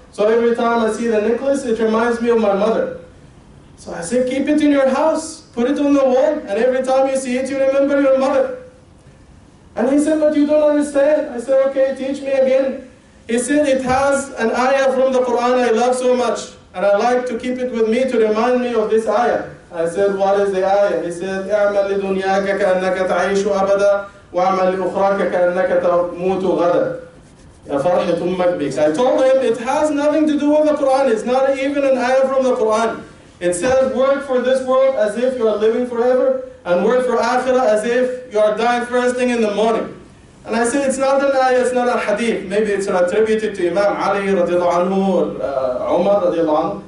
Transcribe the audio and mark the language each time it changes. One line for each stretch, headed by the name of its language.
English: So every time I see the necklace, it reminds me of my mother. So I said, keep it in your house. Put it on the wall. And every time you see it, you remember your mother. And he said, but you don't understand. I said, okay, teach me again. He said, it has an ayah from the Quran I love so much. And I like to keep it with me to remind me of this ayah. I said, what is the ayah? He said,
Arabic: اعمل لدنياك كأنك تعيش أبدا وعمل لأخراك كأنك تموت غدا.
English: I told him, it has nothing to do with the Quran. It's not even an ayah from the Quran. It says, work for this world as if you are living forever, and work for akhirah as if you are dying first thing in the morning. And I said, it's not an ayah, it's not a hadith. Maybe it's attributed to Imam Ali radiallahu anhu or Umar radiallahu anhu.